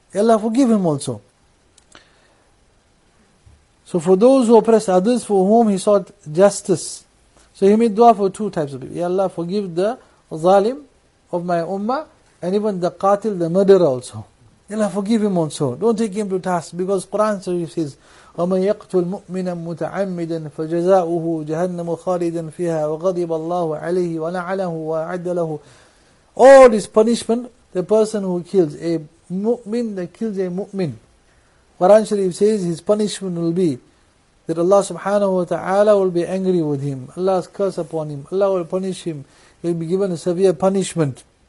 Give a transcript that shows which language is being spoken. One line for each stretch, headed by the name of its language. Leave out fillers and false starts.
English: Ya Allah forgive him also. So for those who oppress others, for whom he sought justice. So he made dua for two types of people. Ya Allah, forgive the zalim of my ummah, and even the qatil, the murderer also. Ya Allah, forgive him also. Don't take him to task, because Quran says,
Arabic: وَمَنْ يَقْتُلْ مُؤْمِنًا مُتَعَمِّدًا فَجَزَاؤُهُ جَهَنَّمُ خَالِدًا فِيهَا وَغَضِبَ اللَّهُ عَلَيْهِ وَلَعَنَهُ وَأَعَدَّ لَهُ.
English: All is punishment, the person who kills a mu'min, that kills a mu'min. Quran Sharif says his punishment will be that Allah subhanahu wa ta'ala will be angry with him. Allah's curse upon him. Allah will punish him. He'll be given a severe punishment.